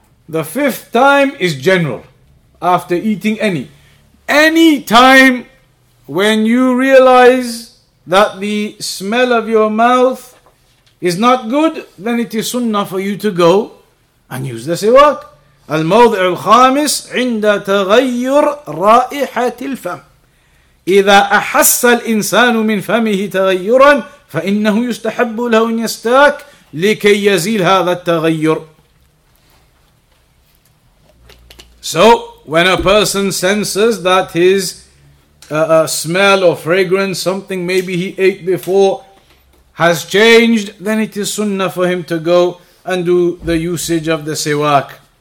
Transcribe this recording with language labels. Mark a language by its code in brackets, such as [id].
[en] The fifth time is general. After eating any. Any time when you realize that the smell of your mouth is not good, then it is sunnah for you to go and use the siwak. [ar] الموضع الخامس عند تغير رائحة الفم إذا أحس الإنسان من فمه تغيرا فإنه يستحب له أن يستاك لكي يزيل هذا التغير. [en] So when a person senses that his smell or fragrance, something maybe he ate before, has changed, then it is sunnah for him to go and do the usage of the siwak.